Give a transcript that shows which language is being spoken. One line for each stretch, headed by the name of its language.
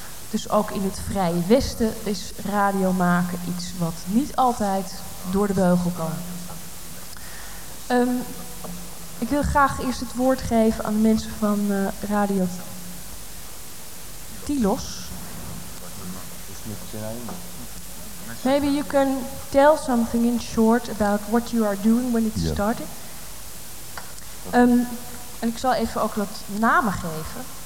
Dutch: Dus ook in het Vrije Westen is radio maken iets wat niet altijd door de beugel kan. Ik wil graag eerst het woord geven aan de mensen van Radio Tilos.
English: Maybe you can tell something in short about what you are doing when it started.
Dutch: En ik zal even ook wat namen geven.